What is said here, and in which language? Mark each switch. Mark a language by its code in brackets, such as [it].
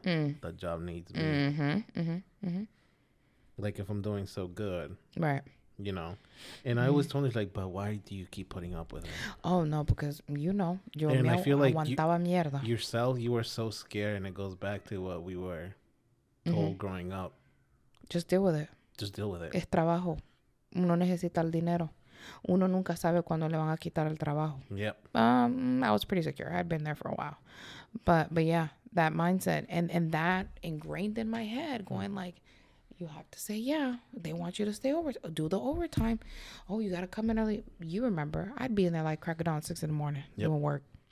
[en] Mm. The job needs me. Mm-hmm, mm-hmm, mm-hmm. Like if I'm doing so good. Right. You know, and I always told her, like, but why do you keep putting up with it? Oh, no, because, you know, yo and I feel like yourself, you were so scared. And it goes back to what we were told growing up. Just deal with it. Just deal with it. [es] Es trabajo. Uno necesita el dinero. Uno nunca sabe cuándo le van a quitar el trabajo. [en] Yep. I was pretty secure. I'd been there for a while. But yeah, that mindset and that ingrained in my head going like, you have to say, yeah, they want you to stay over, do the overtime. Oh, you got to come in early. You remember, I'd be in there like crack of dawn, 6 a.m. Yep. Doing work.